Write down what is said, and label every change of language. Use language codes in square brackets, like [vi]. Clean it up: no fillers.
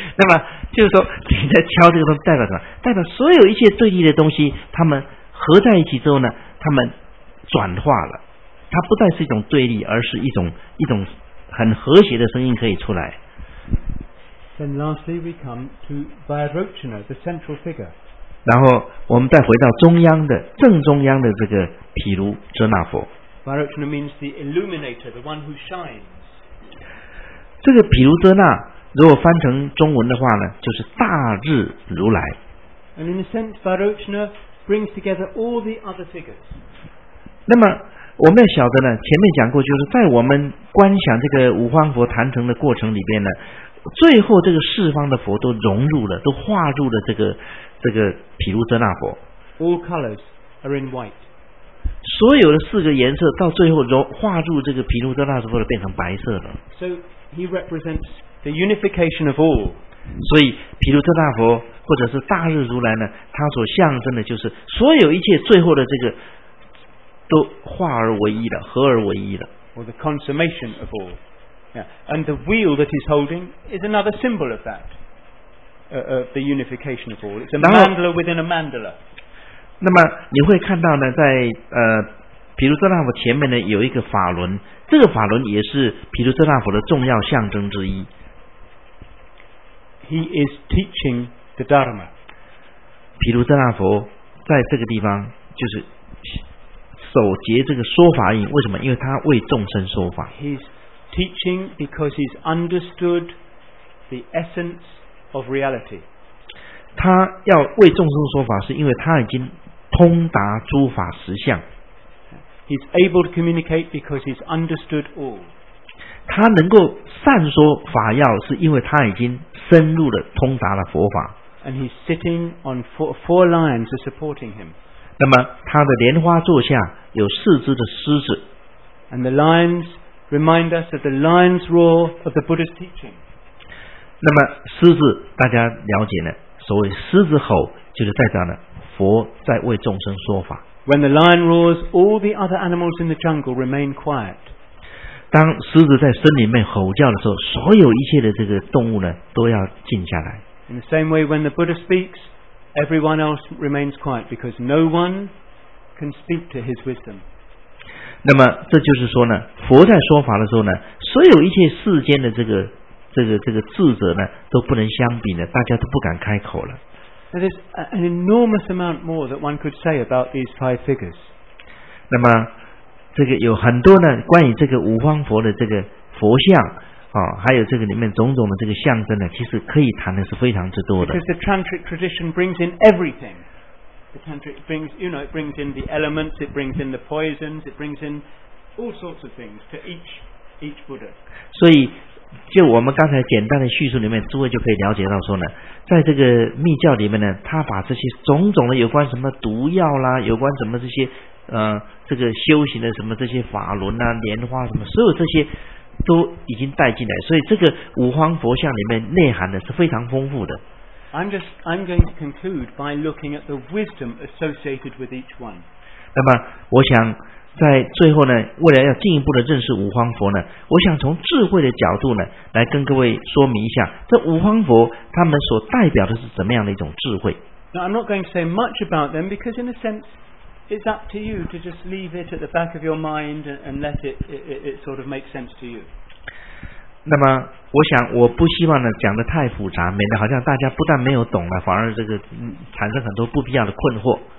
[zh] 那么就是说你在敲这个东西代表什么？代表所有一切对立的东西，他们合在一起之后呢，他们转化了，它不再是一种对立，而是一种很和谐的声音可以出来。 [en] Then lastly, we come to Vairochana, the central figure. [zh] 然后我们再回到中央的正中央的这个毗卢遮那佛。 [en] Vairochana means the illuminator, the one who shines. [zh] 这个毗卢遮那如果翻成中文的话呢，就是大日如来。 [en] And in a sense, Vairochana brings together all the other figures. [zh] 那么我们要晓得呢，前面讲过，就是在我们观想这个五方佛坛城的过程里边呢，最后这个四方的佛都融入了，都化入了这个毗卢遮那佛。 [en] All colors are in white. [zh] 所有的四个颜色到最后化入这个毗卢遮那佛的变成白色了。 [en] So he represents the unification of all. [zh] 所以毗卢遮那佛或者是大日如来呢，他所象征的就是所有一切最后的这个都化而为一了，合而为一了。 [en] Or the consummation of all. And the wheel that he's holding is another symbol of that, of the unification of all. It's a mandala within a mandala. [zh] 那么你会看到呢，在毗卢遮那佛前面呢有一个法轮，这个法轮也是毗卢遮那佛的重要象征之一。 [en] He is teaching the Dharma. [zh] 毗卢遮那佛在这个地方就是守节这个说法印，为什么？因为他为众生说法。 [en] He's teaching because he's understood the essence of reality. [zh] 他要为众生说法，是因为他已经通达诸法实相。 [en] He's able to communicate because he's understood all. [zh] 他能够善说法要，是因为他已经深入的通达了佛法。 [en] And he's sitting on four lions are supporting him. [zh] 那么他的莲花座下有四只的狮子。 [en] And the lions remind us of the lion's roar of the Buddha's teaching. [zh] 那么狮子大家了解呢？所谓狮子吼，就是代表呢佛在为众生说法。 [en] When the lion roars, all the other animals in the jungle remain quiet. [zh] 当狮子在森林里面吼叫的时候，所有一切的这个动物呢都要静下来。 [en] In the same way, when the Buddha speaks, everyone else remains quiet because no one can speak to his wisdom. [zh] 那么这就是说呢，佛在说法的时候呢，所有一切世间的这个智者呢都不能相比呢，大家都不敢开口了。 [en] There is an enormous amount more that one could say about these five figures. [zh] 那么，这个有很多呢，关于这个五方佛的这个佛像啊，还有这个里面种种的这个象征呢，其实可以谈的是非常之多的。 [en] Because the tantric tradition brings in everything. The tantric brings, you know, it brings in the elements, it brings in the poisons, it brings in all sorts of things to each Buddha. [zh] 所以就我们刚才简单的叙述里面，诸位就可以了解到说呢，在这个密教里面呢，他把这些种种的有关什么毒药啦，有关什么这些这个修行的什么这些法轮啊、莲花什么，所有这些都已经带进来，所以这个五方佛像里面内涵的是非常丰富的。 [en] I'm going to conclude by looking at the wisdom associated with each one. [zh] 那么我想在最后呢，为了要进一步的认识五方佛呢，我想从智慧的角度呢来跟各位说明一下，这五方佛他们所代表的是怎么样的一种智慧。 [en] Now, I'm not going to say much about them because in a sense it's up to you to just leave it at the back of your mind and let it sort of make sense to you. [zh] 那么我想我不希望呢讲得太复杂，免得好像大家不但没有懂了，反而这个产生很多不必要的困惑。